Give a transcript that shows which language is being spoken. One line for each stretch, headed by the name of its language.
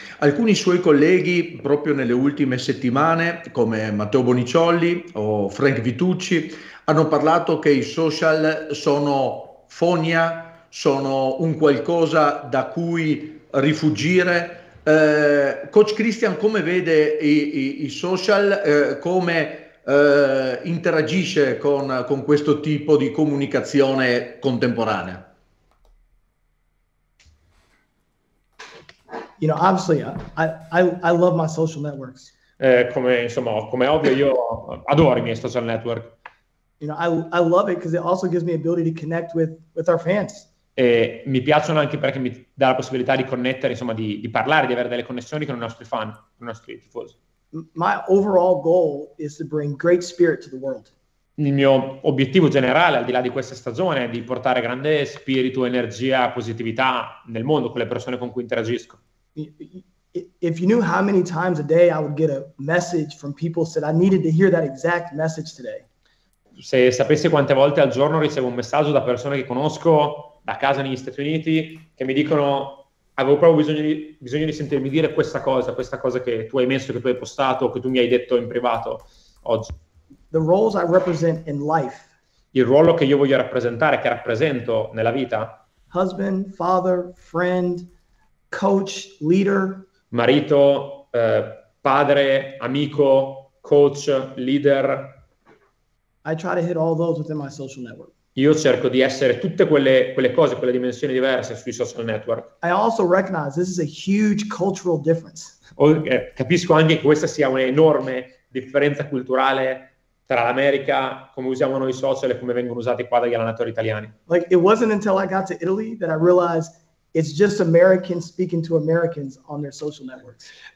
Italian: Alcuni suoi colleghi, proprio nelle ultime settimane, come Matteo Boniciolli o Frank Vitucci, hanno parlato che i social sono fogna, sono un qualcosa da cui rifugire. Coach Christian, come vede i social, come interagisce con questo tipo di comunicazione contemporanea?
English: You know, obviously I love my social networks.
Italian: Come ovvio, io adoro i miei social network.
English: You know, I love it because it also gives me the ability to connect with our fans.
Italian: E mi piacciono anche perché mi dà la possibilità di connettere, insomma, di parlare, di avere delle connessioni con i nostri fan, con i nostri tifosi.
English: My overall goal is to bring great spirit to the world.
Italian: Il mio obiettivo generale, al di là di questa stagione, è di portare grande spirito, energia, positività nel mondo con le persone con cui interagisco.
English: If you knew how many times a day I would get a message from people said I needed to hear that exact message today.
Italian: Se sapessi quante volte al giorno ricevo un messaggio da persone che conosco da casa negli Stati Uniti, che mi dicono avevo proprio bisogno di sentirmi dire questa cosa che tu hai messo, che tu hai postato, che tu mi hai detto in privato oggi.
English: The roles I represent in life.
Italian: Il ruolo che io voglio rappresentare, che rappresento nella vita.
English: Husband, father, friend, coach, leader.
Italian: Marito, padre, amico, coach, leader.
English: I try to hit all those within my social network.
Italian: Io cerco di essere tutte quelle cose, quelle dimensioni diverse sui social network.
English: I also recognize this is a huge cultural difference.
Italian: Capisco anche che questa sia un'enorme differenza culturale tra l'America, come usiamo noi i social e come vengono usati qua dagli allenatori italiani.
English: Like, it wasn't until I got to Italy that I realized it's just Americans speaking to Americans on their social networks.